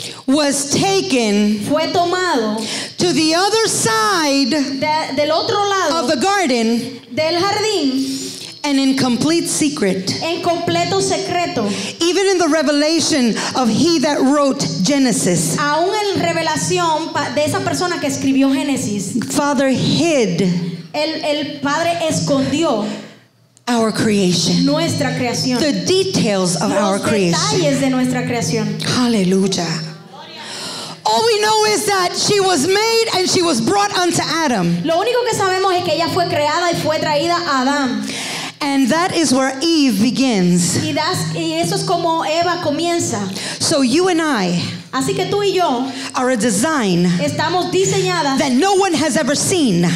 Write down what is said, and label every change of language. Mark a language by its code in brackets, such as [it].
[en] Was taken. [es] Fue tomado. [en] To the other side. [es] Del otro lado. [en] Of the garden. [es] Del jardín. [en] And in complete secret. [es] En completo secreto. [en] Even in the revelation of he that wrote Genesis. [es] Aún en revelación de esa persona que escribió Génesis. [en] Father hid. [es] El padre escondió. [en] Our creation. [es] Nuestra creación. [en] The details of [es] los [en] our creation. [es] Los detalles de nuestra creación. [en] Hallelujah. All we know is that she was made and she was brought unto Adam. [es] Lo único que sabemos es que ella fue creada y fue traída a Adán. [en] And that is where Eve begins. [es] Y eso es como Eva comienza. [en] So you and I, [es] así que tú y yo, [en] are a design, [es] estamos diseñadas, [en] that no one has ever seen,